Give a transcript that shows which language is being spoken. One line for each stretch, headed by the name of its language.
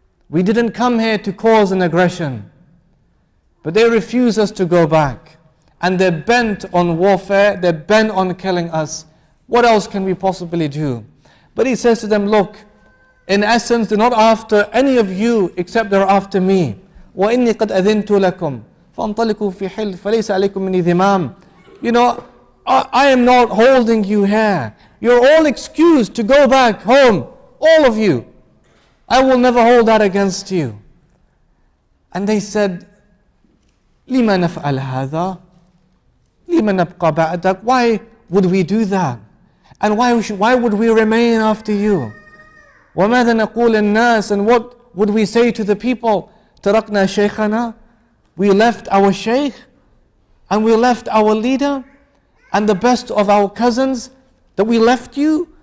English: We didn't come here to cause an aggression, but they refuse us to go back. And they're bent on warfare, they're bent on killing us. What else can we possibly do? But he says to them, look, in essence, they're not after any of you except they're after me. وَإِنِّي قَدْ أَذِنْتُ لَكُمْ
Arabic: فانطلقوا في حل فليس عليكم من ذمام.
English: You know, I am not holding you here. You're all excused to go back home, all of you. I will never hold that against you.
Arabic: And they said, لِمَا نَفْعَلْ هَذَا لِمَا نَبْقَى بَعْدَكَ.
English: Why would we do that? And why would we remain after you?
Arabic: وَمَاذَا نَقُولَ النَّاسِ.
English: And what would we say to the people?
Arabic: تَرَقْنَا شَيْخَنَا.
English: We left our sheikh, and we left our leader, and the best of our cousins, that we left you?